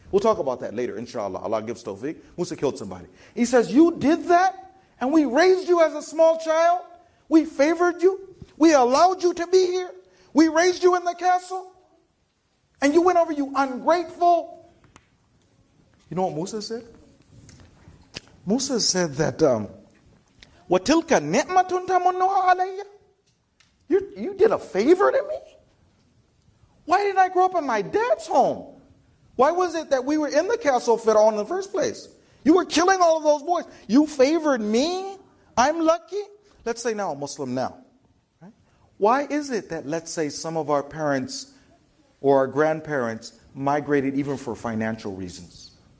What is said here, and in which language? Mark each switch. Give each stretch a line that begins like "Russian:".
English: We'll talk about that later, inshallah. Allah gives tawfiq. Musa killed somebody. He says, you did that, and we raised you as a small child. We favored you. We allowed you to be here. We raised you in the castle. And you went over, you ungrateful. You know what Musa said? Musa said that,
Arabic: وَتِلْكَ نِعْمَةٌ تَمُنُّهَا عَلَيَّ.
English: You did a favor to me? Why didn't I grow up in my dad's home? Why was it that we were in the castle of Pharaoh in the first place? You were killing all of those boys. You favored me? I'm lucky? Let's say now, a Muslim now. Right? Why is it that, let's say, some of our parents or our grandparents migrated even for financial reasons?